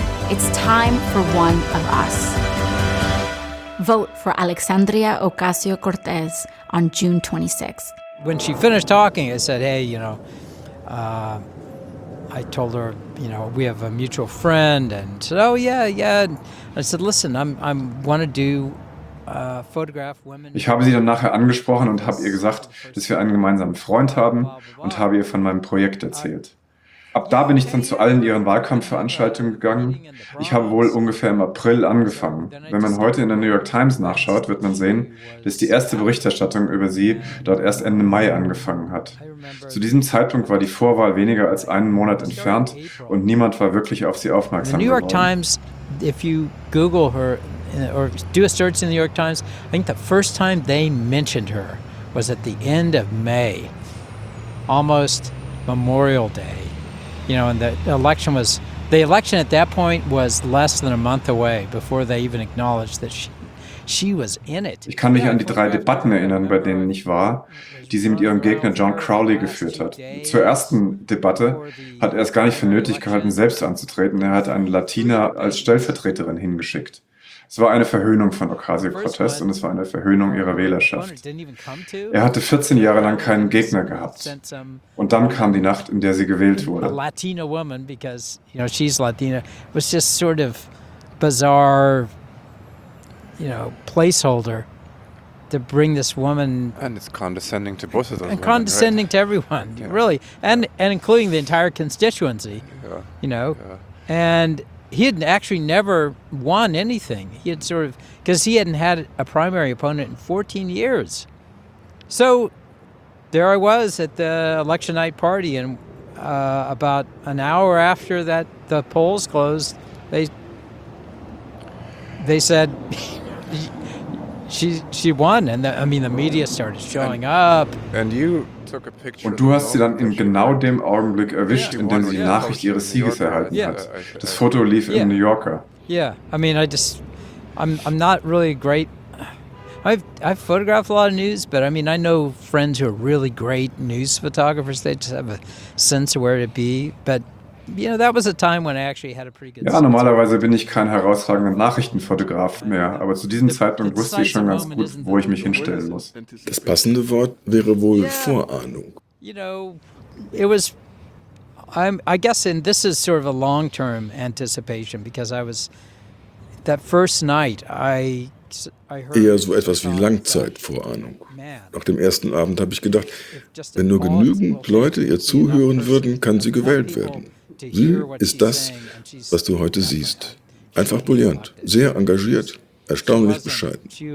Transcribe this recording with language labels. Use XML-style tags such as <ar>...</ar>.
<en>It's time for one of us. Vote for Alexandria Ocasio-Cortez on June 26th. When she finished talking, I said, hey, you know, I told her, you know, we have a mutual friend, and said, "Oh yeah, yeah." And I said, "Listen, I want to do photograph women."</en> <de>Ich habe sie dann nachher angesprochen und habe ihr gesagt, dass wir einen gemeinsamen Freund haben, und habe ihr von meinem Projekt erzählt. Ab da bin ich dann zu allen ihren Wahlkampfveranstaltungen gegangen. Ich habe wohl ungefähr im April angefangen. Wenn man heute in der New York Times nachschaut, wird man sehen, dass die erste Berichterstattung über sie dort erst Ende Mai angefangen hat. Zu diesem Zeitpunkt war die Vorwahl weniger als einen Monat entfernt und niemand war wirklich auf sie aufmerksam geworden.</de> <en>New York Times, if you Google her or do a search in the New York Times, I think the first time they mentioned her was at the end of May, almost Memorial Day. you know, and the election was, the election at that point was less than a month away before they even acknowledged that she was in it.</en> <de>Ich kann mich an die drei Debatten erinnern, bei denen ich war, die sie mit ihrem Gegner John Crowley geführt hat. Zur ersten Debatte hat er es gar nicht für nötig gehalten, selbst anzutreten. Er hat eine Latina als Stellvertreterin hingeschickt. Es war eine Verhöhnung von Ocasio-Cortez und es war eine Verhöhnung ihrer Wählerschaft. Er hatte 14 Jahre lang keinen Gegner gehabt. Und dann kam die Nacht, in der sie gewählt wurde.</de> <en>A Latina woman, because, you know, she's Latina, was just sort of bizarre, you know, placeholder to bring this woman. And it's condescending to both of those and condescending women, right? To everyone, yeah. Really. And including the entire constituency, yeah. You know. Yeah. And he had actually never won anything. He had sort of, because he hadn't had a primary opponent in 14 years. So there I was at the election night party, and about an hour after that the polls closed, they said she won, and the media started showing up. And you took a picture.</en> <de>Und du hast sie dann in genau dem Augenblick erwischt, in dem sie die Nachricht ihres Sieges erhalten hat. Das Foto lief im New Yorker.</de> <en>Yeah, I mean, I'm not really great. I've photographed a lot of news, but I mean, I know friends who are really great news photographers. They just have a sense of where to be, but. You know, that was a time when I actually had a pretty good.</en> <de>Ja, normalerweise bin ich kein herausragender Nachrichtenfotograf mehr, aber zu diesem Zeitpunkt wusste ich schon ganz gut, wo ich mich hinstellen muss. Das passende Wort wäre wohl Vorahnung.</de> <en>You know, it was, I guess, and this is sort of a long-term anticipation, because I was that first night</en> <de>eher so etwas wie Langzeitvorahnung. Nach dem ersten Abend habe ich gedacht, wenn nur genügend Leute ihr zuhören würden, kann sie gewählt werden. Sie ist das, was du heute siehst. Einfach brillant, sehr engagiert, erstaunlich bescheiden.</de>